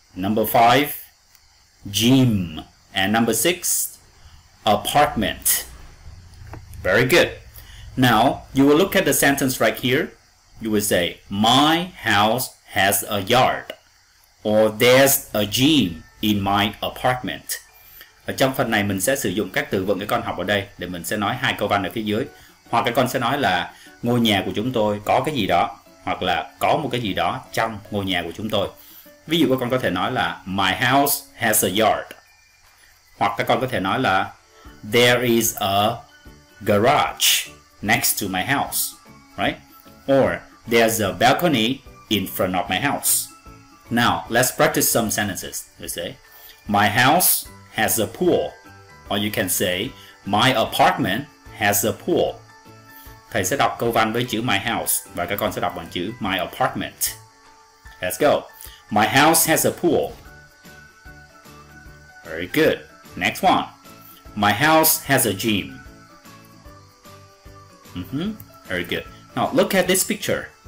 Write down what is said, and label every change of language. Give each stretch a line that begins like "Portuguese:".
English: Number 5, gym. And number 6, apartment. Very good. Now, you will look at the sentence right here. You will say, my house has a yard. Or there's a gym in my apartment.
Vietnamese: Ở trong phần này mình sẽ sử dụng các từ vựng các con học ở đây để mình sẽ nói hai câu văn ở phía dưới. Hoặc các con sẽ nói là ngôi nhà của chúng tôi có cái gì đó. Hoặc là có một cái gì đó trong ngôi nhà của chúng tôi. Ví dụ các con có thể nói là
English: my house has a yard.
Vietnamese: Hoặc các con có thể nói là
English: there is a garage next to my house, right? Or there's a balcony in front of my house. Now, let's practice some sentences. You say, my house has a pool. Or you can say, my apartment has a pool.
Vietnamese: Thầy sẽ đọc câu văn với chữ
English: my house
Vietnamese: và các con sẽ đọc bằng chữ
English: my apartment. Let's go. My house has a pool. Very good. Next one. My house has a gym. Mm-hmm. Very good. Now, look at this picture.